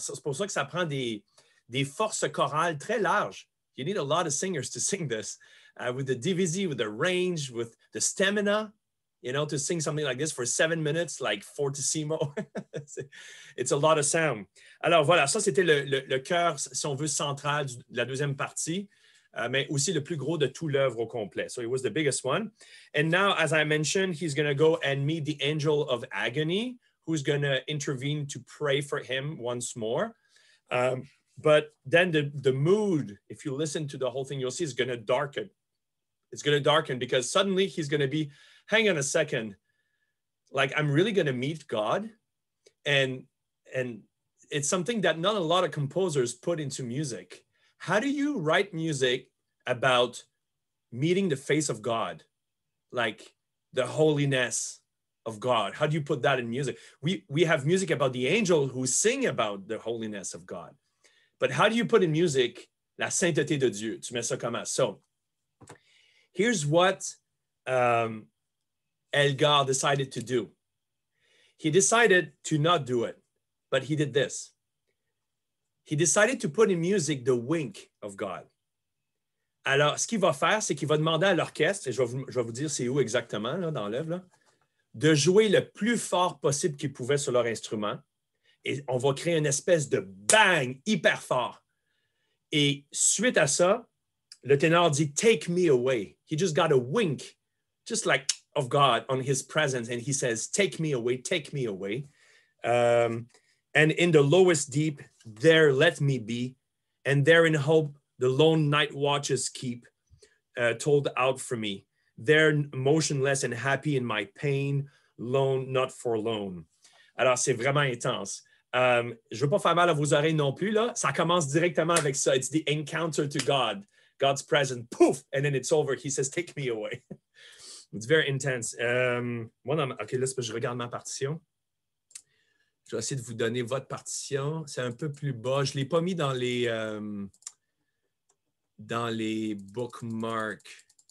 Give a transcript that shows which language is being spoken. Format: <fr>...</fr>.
<fr>C'est pour ça que ça prend des forces chorales très larges.</fr> <en>You need a lot of singers to sing this. With the divisi, with the range, with the stamina, you know, to sing something like this for 7 minutes, like fortissimo. It's a lot of sound.</en> <fr>Alors voilà, ça c'était le chœur, si on veut, central de la deuxième partie, mais aussi le plus gros de tout l'œuvre au complet.</fr> <en>So it was the biggest one. And now, as I mentioned, he's going to go and meet the angel of agony, who's going to intervene to pray for him once more. But then the mood, if you listen to the whole thing, you'll see it's going to darken. It's going to darken because suddenly he's going to be, hang on a second, like I'm really going to meet God. And it's something that not a lot of composers put into music. How do you write music about meeting the face of God, like the holiness of God? How do you put that in music? We have music about the angel who sing about the holiness of God. But how do you put in music</en> <fr>la sainteté de Dieu? Tu mets ça comment?</fr> <en>So here's what Elgar decided to do. He decided to not do it, but he did this. He decided to put in music the wink of God.</en> <fr>Alors, ce qu'il va faire, c'est qu'il va demander à l'orchestre, et je vais vous dire c'est où exactement là, dans l'œuvre, de jouer le plus fort possible qu'ils pouvaient sur leur instrument. Et on va créer une espèce de bang hyper fort. Et suite à ça, le ténor dit,</fr> <en>take me away. He just got a wink, just like of God on his presence. And he says, take me away, take me away. And in the lowest deep, there let me be. And there in hope, the lone night watches keep told out for me. They're motionless and happy in my pain, lone, not forlorn.</en> <fr>Alors, c'est vraiment intense. Je veux pas faire mal à vos oreilles non plus, là. Ça commence directement avec ça.</fr> <en>It's the encounter to God, God's presence. Poof! And then it's over. He says, take me away. It's very intense.</en> <fr>Je regarde ma partition. Je vais essayer de vous donner votre partition. C'est un peu plus bas. Je l'ai pas mis dans les bookmarks.</fr>